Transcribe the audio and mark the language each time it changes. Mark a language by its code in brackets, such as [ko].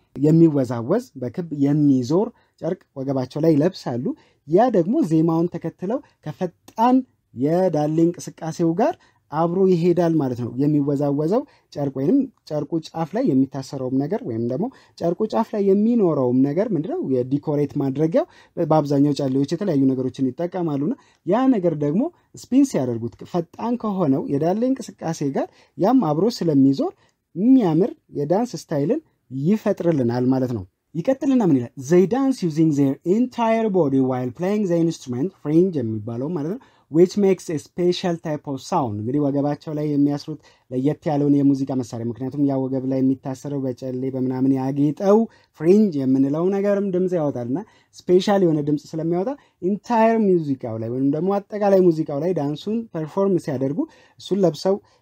[am] የሚወዛወዝ በክብ የሚዞር ጨርቅ ወገባቸው ላይ ለብሳሉ። ያ ደግሞ ዜማውን ተከትለው ከፈጣን የዳሊንግ ስቃሴው ጋር አብሮ ይሄዳል ማለት ነው። የሚወዛወዘው ጨርቅ ወይንም ጨርቁ ጫፍ ላይ የሚታሰረው ነገር ወይንም ደግሞ ጨርቁ ጫፍ ላይ የሚኖረው ነገር ምንድነው የዲኮሬት ማድረጊያው በአብዛኛው ጫሌዎች የተለያዩ ነገሮችን ይጣቀማሉና ያ ነገር ደግሞ ስፒን ሲያደርጉት ፈጣን ከሆነው የዳሊንግ ስቃሴ ጋር ያም አብሮ ስለሚዞር የሚያምር የዳንስ ስታይልን ይፈጥርልናል ማለት ነው። ይከተልና ምን ይላል? [en] They dance using their entire body while playing the instrument fringe [am] የሚባለው ማለት ነው [en] which makes a special type of sound. [am] እንግዲህ ወገባቸው ላይ የሚያስሩት ለየት ያለውን የሙዚቃ መሳሪያ ምክንያቱም ያ ወገብ ላይ የሚታሰረው በጨሌ በመናምን ያጌጠው ፍሪንጅ የምንለው ነገርም ድምጽ ያወጣልና ስፔሻል የሆነ ድምጽ ስለሚያወጣ entire ሙዚቃው ላይ ወይንም ደግሞ አጠቃላይ ሙዚቃው ላይ ዳንሱን ፐርፎርም ሲያደርጉ እሱን ለብሰው